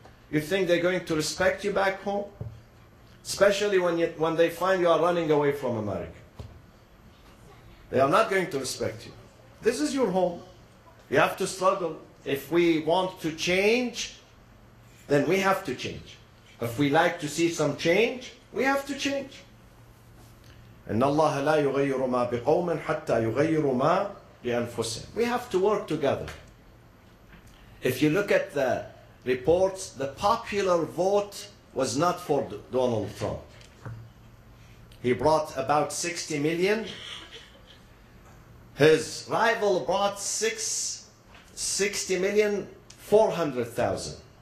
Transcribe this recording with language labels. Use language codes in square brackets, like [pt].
[en] You think they're going to respect you back home? Especially when they find you are running away from America. They are not going to respect you. This is your home. You have to struggle. If we want to change, then we have to change. If we like to see some change, we have to change. [ar] إن الله لا يغير ما بقوم حتى يغير ما بأنفسهم. [en] We have to work together. If you look at the reports, the popular vote was not for Donald Trump. He brought about 60 million. His rival brought 60,400,000.